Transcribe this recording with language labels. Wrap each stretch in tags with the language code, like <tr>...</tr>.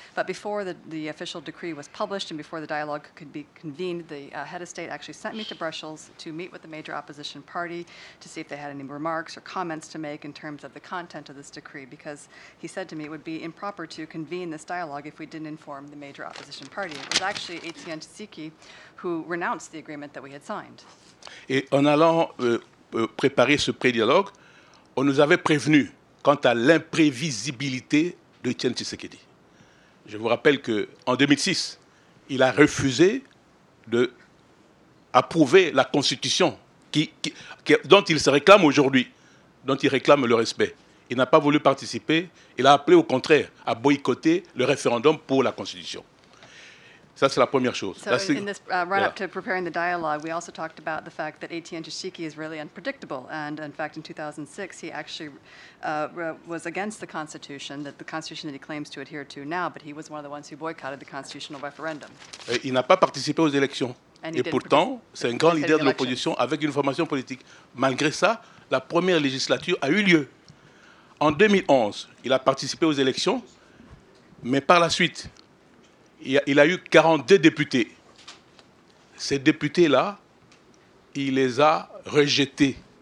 <en>But before the official decree was published and before the dialogue could be convened, the head of state actually sent me to Brussels to meet with the major opposition party to see if they had any remarks or comments to make in terms of the content of this decree, because he said to me it would be improper to convene this dialogue if we didn't inform the major opposition party. It was actually Etienne Tshisekedi who renounced the agreement that we had signed.</en> <fr>Et en allant préparer ce pré-dialogue, on nous avait prévenu quant à l'imprévisibilité de Étienne Tshisekedi. Je vous rappelle que en 2006, il a refusé de approuver la constitution qui dont il se réclame aujourd'hui, dont il réclame le respect. Il n'a pas voulu participer, il a appelé au contraire à boycotter le référendum pour la constitution. Ça, c'est la première chose.</fr> <en>So in this run-up to preparing the dialogue, we also talked about the fact that Étienne Tshisekedi is really unpredictable. And in fact, in 2006, he actually was against the Constitution, that the Constitution that he claims to adhere to now, but he was one of the ones who boycotted the constitutional referendum.</en> <fr>Et il n'a pas participé aux élections. Et pourtant, c'est un grand leader de l'opposition avec une formation politique. Malgré ça, la première législature a eu lieu. En 2011, il a participé aux élections, mais par la suite... Il a eu 42 députés. Ces députés-là, il les a rejetés.</fr>